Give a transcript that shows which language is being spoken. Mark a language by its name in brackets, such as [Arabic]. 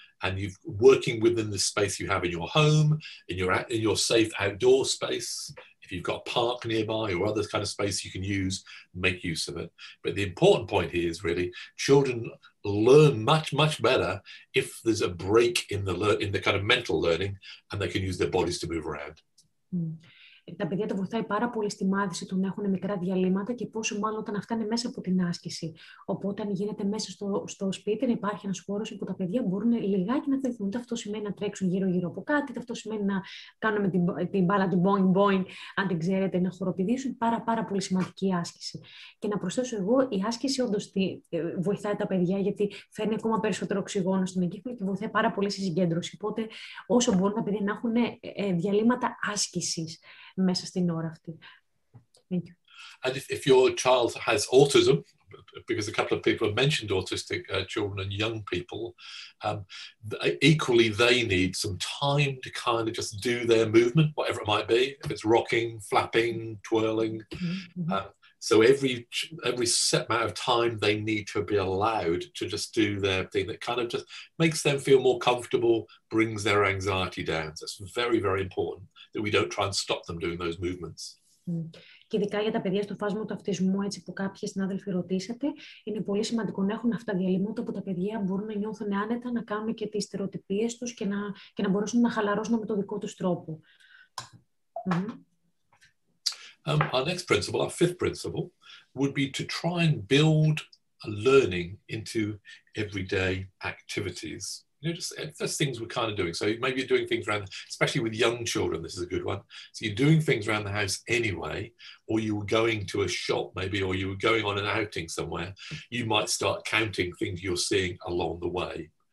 [English] And you're working within the space you have in your home, in your safe outdoor space. If you've got a park nearby or other kind of space you can use, make use of it. But the important point here is really children learn much, much better if there's a break in the kind of mental learning and they can use their bodies to move around. [Greek] Τα παιδιά τα βοηθάει πάρα πολύ στη μάθηση του να έχουν μικρά διαλύματα και πόσο μάλλον όταν αυτά είναι μέσα από την άσκηση. Οπότε αν γίνεται μέσα στο σπίτι, να υπάρχει ένας χώρος όπου τα παιδιά μπορούν λιγάκι να τεθούν. Είτε αυτό σημαίνει να τρέξουν γύρω-γύρω από κάτι, είτε αυτό σημαίνει να κάνουν την μπάλα του boing-boing, αν την ξέρετε, να χοροπηδήσουν. Πάρα πάρα πολύ σημαντική άσκηση. Και να προσθέσω εγώ, η άσκηση όντως βοηθάει τα παιδιά γιατί φέρνει ακόμα περισσότερο οξυγόνο στον εγκέφαλο και βοηθάει πάρα πολύ στη συγκέντρωση. Οπότε όσο μπορούν τα παιδιά να έχουν διαλύματα άσκησης. Μέσα στην ώρα αυτή. [English] Thank you. And if your child has autism, because a couple of people have mentioned autistic children and young people, equally they need some time to kind of just do their movement, whatever it might be, if it's rocking, flapping, twirling. Mm-hmm. So every set amount of time they need to be allowed to just do their thing that kind of just makes them feel more comfortable, brings their anxiety down. So it's very, very important that we don't try and stop them doing those movements. [Greek] Και ειδικά για τα παιδιά στο φάσμα του αυτισμού, έτσι που κάποιοι συνάδελφοι ρωτήσατε, είναι πολύ σημαντικό να έχουν αυτά τα διαλύματα που τα παιδιά μπορούν να νιώθουν άνετα, να κάνουν και τις στερεοτυπίες τους και να μπορούσουν να χαλαρώσουν με τον δικό τους τρόπο. [English] Our next principle, our fifth principle, would be to try and build a learning into everyday activities. You know, just things we're kind of doing. So maybe you're doing things around, especially with young children, this is a good one. So you're doing things around the house anyway, or you were going to a shop maybe, or you were going on an outing somewhere, you might start counting things you're seeing along the way.